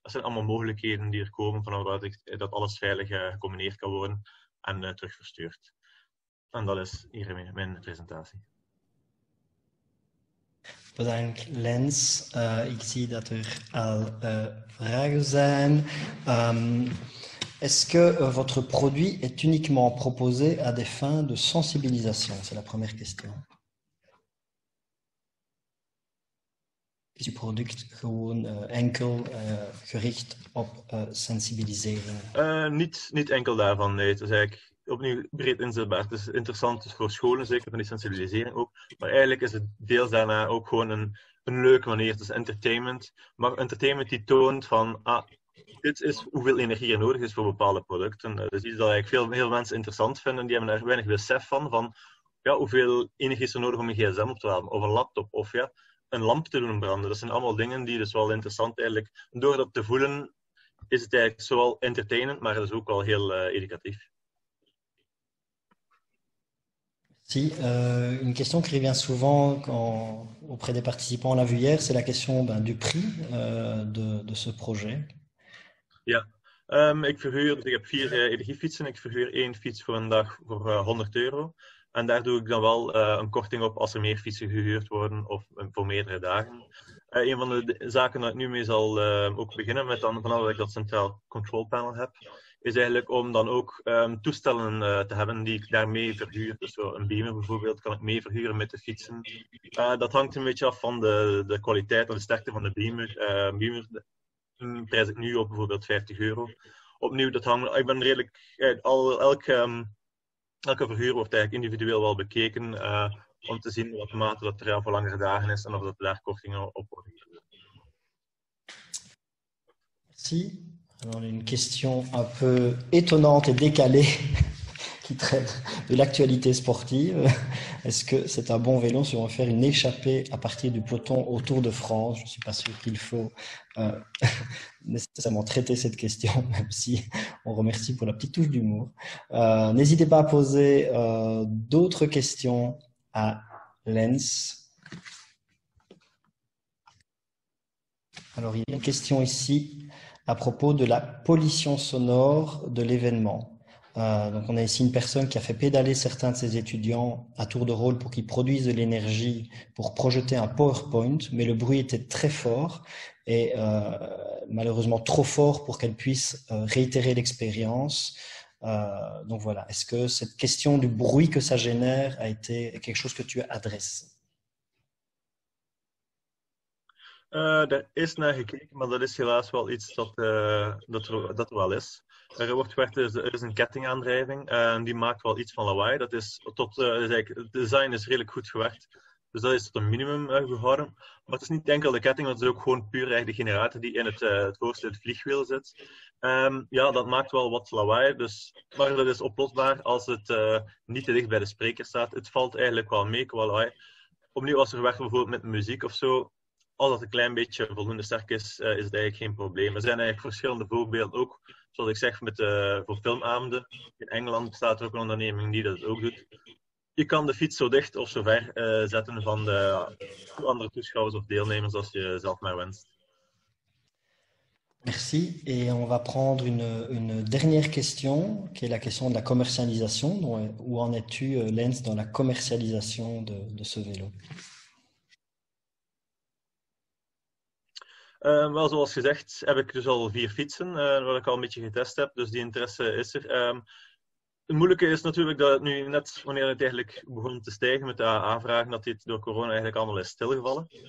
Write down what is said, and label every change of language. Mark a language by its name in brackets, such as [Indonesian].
[Dutch] Dat zijn allemaal mogelijkheden die er komen vanuit dat alles veilig gecombineerd kan worden en terugverstuurd. En dat is hier mijn presentatie. Bedankt, Lens. Ik zie dat er al vragen zijn. [French] Est-ce que votre produit est uniquement proposé à des fins de sensibilisation? C'est la première question. [Dutch] Is je product gewoon enkel gericht op sensibilisering? Niet enkel daarvan, nee. Het is eigenlijk opnieuw breed inzetbaar. Het is interessant voor scholen, zeker van die sensibilisering ook. Maar eigenlijk is het deels daarna ook gewoon een leuke manier. Het is entertainment. Maar entertainment die toont van, ah, dit is hoeveel energie er nodig is voor bepaalde producten. Dat is iets dat eigenlijk heel mensen interessant vinden. Die hebben daar weinig besef van ja, hoeveel energie is er nodig om een gsm op te halen. Of een laptop, of ja, een lamp te doen branden. Dat zijn allemaal dingen die dus wel interessant eigenlijk. Door dat te voelen is het eigenlijk zowel entertainend, maar het is ook wel heel educatief. [French] Si, une question qui revient souvent auprès des participants, on l'a vu hier, c'est la question ben, du prix de ce projet. [Dutch] Ja, ik heb 4 energiefietsen. Ik verhuur 1 fiets voor een dag voor €100. En daar doe ik dan wel een korting op als er meer fietsen gehuurd worden of voor meerdere dagen. Een van de zaken dat ik nu mee zal ook beginnen met dan, vanaf dat ik dat centraal control panel heb, is eigenlijk om dan ook toestellen te hebben die ik daarmee verhuur. Dus zo een beamer bijvoorbeeld kan ik mee verhuren met de fietsen. Dat hangt een beetje af van de kwaliteit en de sterkte van de beamer. Beamer prijs ik nu op bijvoorbeeld €50. Opnieuw, dat hangt. Ik ben redelijk elke verhuur wordt eigenlijk individueel wel bekeken om te zien wat mate dat er voor langere dagen is en of dat daar kortingen op worden. [French] Merci. Alors une question un peu étonnante et décalée qui traite de l'actualité sportive. Est-ce que c'est un bon vélo si on veut faire une échappée à partir du peloton autour de France? Je ne suis pas sûr qu'il faut nécessairement traiter cette question, même si on remercie pour la petite touche d'humour. N'hésitez pas à poser d'autres questions à Lens. Alors, il y a une question ici à propos de la pollution sonore de l'événement. Donc on a ici une personne qui a fait pédaler certains de ses étudiants à tour de rôle pour qu'ils produisent de l'énergie pour projeter un PowerPoint, mais le bruit était très fort et malheureusement trop fort pour qu'elle puisse réitérer l'expérience. Donc voilà, est-ce que cette question du bruit que ça génère a été quelque chose que tu adresses? [Dutch] Er is naar gekeken, maar dat is helaas wel iets dat er wel is. Er is een kettingaandrijving en die maakt wel iets van lawaai. Dat is het design is redelijk goed gewerkt, dus dat is tot een minimum gehouden. Maar het is niet enkel de ketting, het is ook gewoon puur de generator die in het voorste vliegwiel zit. Ja, dat maakt wel wat lawaai, maar dat is oplosbaar als het niet te dicht bij de spreker staat. Het valt eigenlijk wel mee qua lawaai. Opnieuw, als er werkt bijvoorbeeld met muziek of zo. Als dat een klein beetje voldoende sterk is, is het eigenlijk geen probleem. Er zijn eigenlijk verschillende voorbeelden ook. Zoals ik zeg, voor filmavonden. In Engeland staat er ook een onderneming die dat ook doet. Je kan de fiets zo dicht of zo ver zetten van de andere toeschouwers of deelnemers als je zelf maar wenst. [French] Merci. Et on va prendre une dernière question, qui est la question de la commercialisation. Où en es-tu, Lens, dans la commercialisation de ce vélo? [Dutch] Wel, zoals gezegd, heb ik dus al 4 fietsen, wat ik al een beetje getest heb, dus die interesse is er. Het moeilijke is natuurlijk dat het nu net, wanneer het eigenlijk begon te stijgen met de aanvragen, dat dit door corona eigenlijk allemaal is stilgevallen.